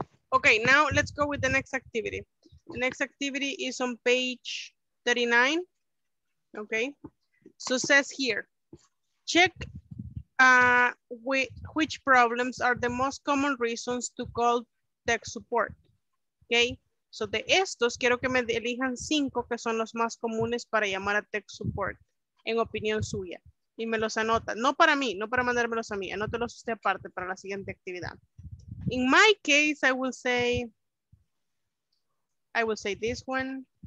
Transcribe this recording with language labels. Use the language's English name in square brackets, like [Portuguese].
[English] Ok, now let's go with the next activity. The next activity is on page 39. Ok, so it says here, check which problems are the most common reasons to call tech support. [Spanish] Okay, so de estos quiero que me elijan 5 que son los más comunes para llamar a tech support, en opinión suya, y me los anota. No para mí, no para mandármelos a mí, anótelos usted aparte para la siguiente actividad. [English] In my case, I will say this one.